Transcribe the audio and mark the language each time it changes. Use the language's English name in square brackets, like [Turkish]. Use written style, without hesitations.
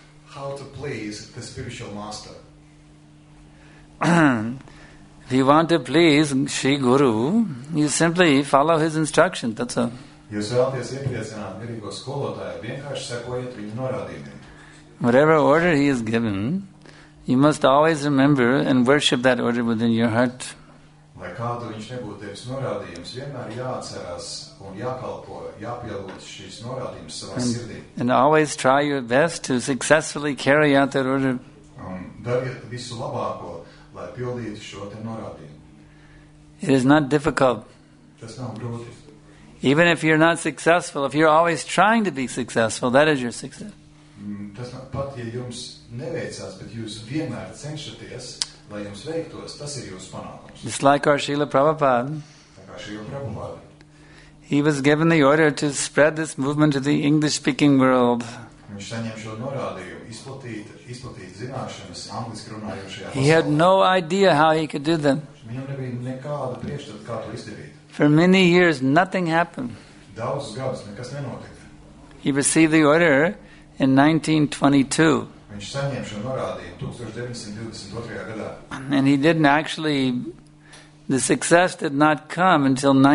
[English] How to please the spiritual master? If you want to please Shri Guru, you simply follow his instructions. That's all. [Latvian] Jūs vēlaties iepriecināt mirīgo skolotāju, vienkārši sekojiet viņu norādījumiem. [English] Whatever order he is given, you must always remember and worship that order within your heart. [Latvian] Lai kādu viņš nebūtu devis norādījums, vienmēr jāatcerās un jākalpo, jāpielūdz šīs norādījums savā sirdī. [English] And always try your best to successfully carry out that order. [Latvian] Dariet visu labāko, lai pildītu šo te norādījumu. [English] It is not difficult. [Latvian] Tas nav grūti. [English] Even if you're not successful, if you're always trying to be successful, that is your success. [Latvian] Tas nav, pat ja jums neveicās, bet jūs vienmēr cenšaties, lai jums veiktos, tas ir jūsu panākums. [English] Just like our Srila Prabhupāda. [Latvian] Tā kā Srila Prabhupāda. [English] He was given the order to spread this movement to the English-speaking world. [Latvian] Viņš saņem šo norādīju, izplatīt zināšanas angliski runājošajā pasaulē. [English] He had no idea how he could do them. [Latvian] Viņam nebija nekāda priekšstata, kā to izdarīt. [English] For many years, nothing happened. [Latvian] Daudz gadus nekas nenotika. [English] He received the order in 1922. [Latvian] Viņš saņem šo norādīju 1922. Gadā. [English] And he didn't actually... The success did not come until